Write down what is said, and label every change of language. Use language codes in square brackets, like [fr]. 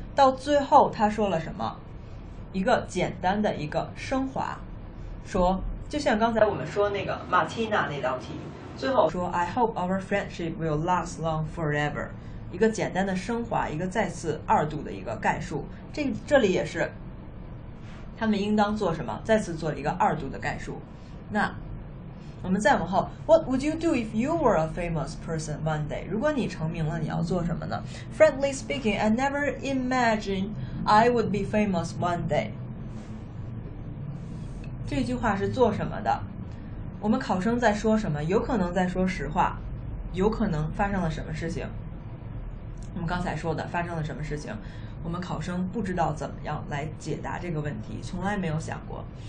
[zh] 到最后他说了什么？一个简单的一个升华，说就像刚才我们说那个 Martina 那道题，最后说 [en] I hope our friendship will last long forever， [zh] 一个简单的升华，一个再次二度的一个概述。这里也是他们应当做什么，再次做一个二度的概述。那我们再往后， [en] What would you do if you were a famous person one day？ [zh] 如果你成名了你要做什么呢？ [en] Frankly speaking, I never imagined I would be famous one day。 [zh] 这句话是做什么的？我们考生在说什么？有可能在说实话，有可能发生了什么事情，我们刚才说的发生了什么事情，我们考生不知道怎么样来解答这个问题，从来没有想过。